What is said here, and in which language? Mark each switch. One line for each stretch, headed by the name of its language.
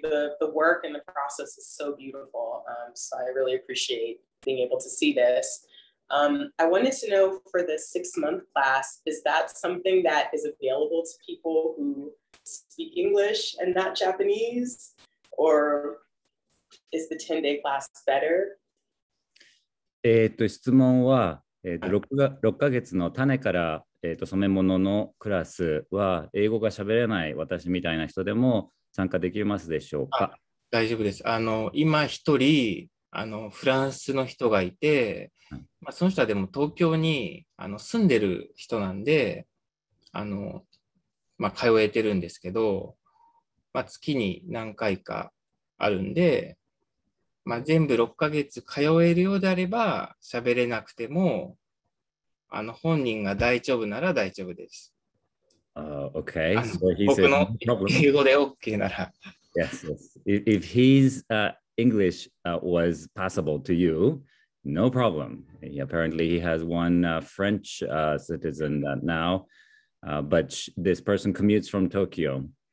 English: The work and the process is so beautiful. So I really appreciate being able to see this. I wanted to know for this 6-month class, is that something that is available to people who speak English and not Japanese, or is the 10-day class better?
Japanese: 質問は、6ヶ月の種から、染め物のクラスは英語が喋れない私みたいな人でも参加できますでしょうか？大丈夫です。今一人フランスの人がいて、まあ、その人はでも東京に住んでる人なんで、まあ、通えてるんですけど、まあ、月に何回かあるんで、まあ、全部6ヶ月通えるようであれば喋れなくても本人が大丈夫なら大丈夫です。
English: Okay. So he said,
Japanese: 僕の英語で OK なら。
English: Yes, yes. If his English was passable to you, no problem. Apparently he has one French citizen that now, but this person commutes from Tokyo.